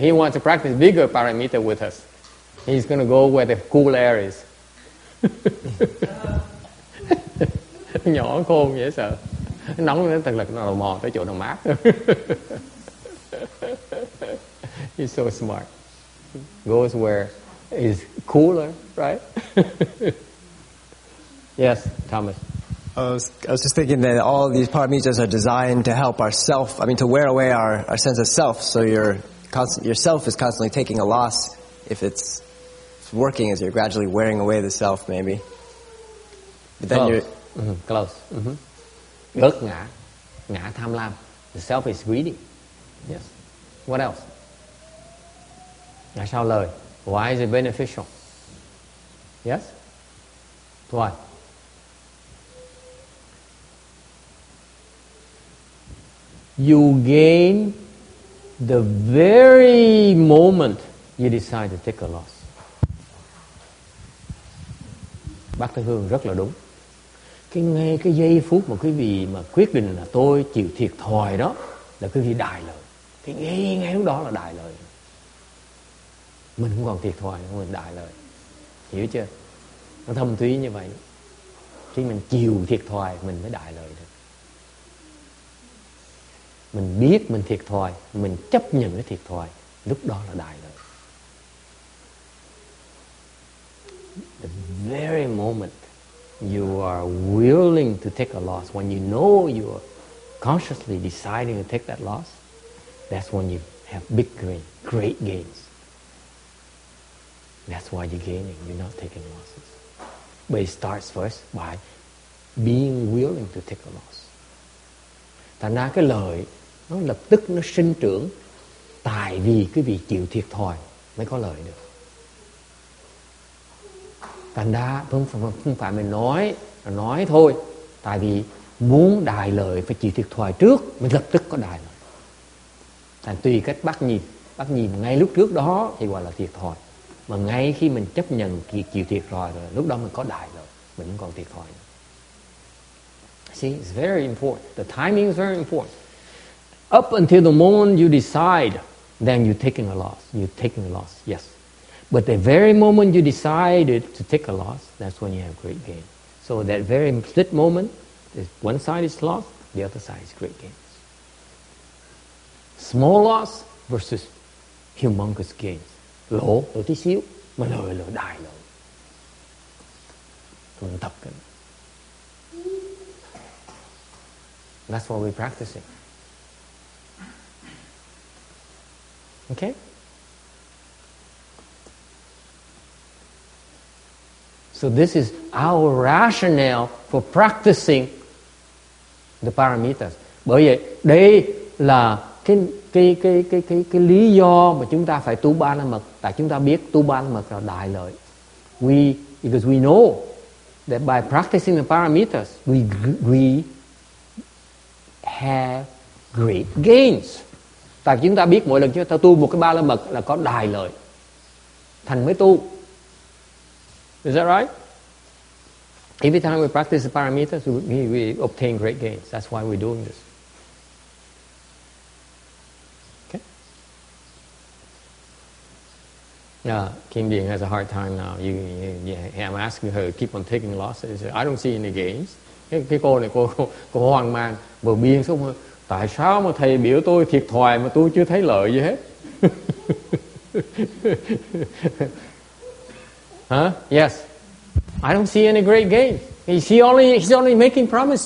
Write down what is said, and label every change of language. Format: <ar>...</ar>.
<en>He wants to practice bigger paramita with us. He's gonna go where the cool air is.</en> <vi>Nhỏ khôn dễ sợ. Nóng nên thật lực nó lò mò tới chỗ nào mát.</vi> <en>He's so smart. Goes where is cooler, right? Yes, Thomas. I was just thinking that all of these paramitas are designed to help ourself, I mean, to wear away our sense of self, so yourself is constantly taking a loss if it's working, as you're gradually wearing away the self, maybe. But then Close.</en> <vi>Ước ngã, ngã tham lam.</vi> <en>The self is greedy. Yes. What else?</en> <vi>Ngã sau lời.</vi> <en>Why is it beneficial? Yes? Why? You gain the very moment you decide to take a loss.</en> <vi>Bác Thái Hương rất là đúng. Cái ngay cái giây phút mà quý vị mà quyết định là tôi chịu thiệt thòi đó là quý vị đại lợi. Cái ngay lúc đó là đại lợi. Mình không còn thiệt thòi nữa, mình đại lợi. Hiểu chưa? Nó thâm thúy như vậy. Khi mình chịu thiệt thòi, mình mới đại lợi được. Mình biết mình thiệt thòi, mình chấp nhận cái thiệt thòi, lúc đó là đại lợi.</vi> <en>The very moment you are willing to take a loss, when you know you are consciously deciding to take that loss, that's when you have big gain, great gains. That's why you're gaining, you're not taking losses. But it starts first by being willing to take a loss.</en> <vi>Thành ra cái lợi nó lập tức nó sinh trưởng, tại vì quý vị chịu thiệt thòi mới có lợi được. Thành ra không phải mình nói thôi, tại vì muốn đại lợi phải chịu thiệt thòi trước mới lập tức có đại lợi. Thành tùy cách bắt nhìn ngay lúc trước đó thì gọi là thiệt thòi, mà ngay khi mình chấp nhận chịu thiệt thòi rồi, lúc đó mình có đại lợi, mình không còn thiệt thòi nữa.</vi> <en>See, it's very important, the timing is very important. Up until the moment you decide, then you're taking a loss. Yes. But the very moment you decided to take a loss, that's when you have great gain. So that very split moment, one side is loss, the other side is great gain. Small loss versus humongous gains.</en> <vi>Lỗ, lỗ tí xíu, mà lời lỗ đại lỗ. Mình tập cái này.</vi> <en>That's what we're practicing. Okay? So this is our rationale for practicing the paramitas.</en> <vi>Bởi vậy, đây là cái lý do mà chúng ta phải tu ba la mật, tại chúng ta biết tu ba la mật là đại lợi.</vi> <en>Because we know that by practicing the paramitas, we have great gains.</en> <vi>Tại chúng ta biết mỗi lần chúng ta tu một cái ba la mật là có đại lợi, thành mới tu.</vi> <en>Is that right? Every time we practice the paramitas, we obtain great gains. That's why we're doing this. Okay? Yeah, Kim Dien has a hard time now. I'm asking her to keep on taking losses. I don't see any gains.</en> <vi>Cái cô này, cô hoang mang, bờ biên xuống. Tại sao mà thầy biểu tôi thiệt thòi mà tôi chưa thấy lợi gì hết?</vi> <en>Huh? Yes. I don't see any great gain. He's only making promise.</en>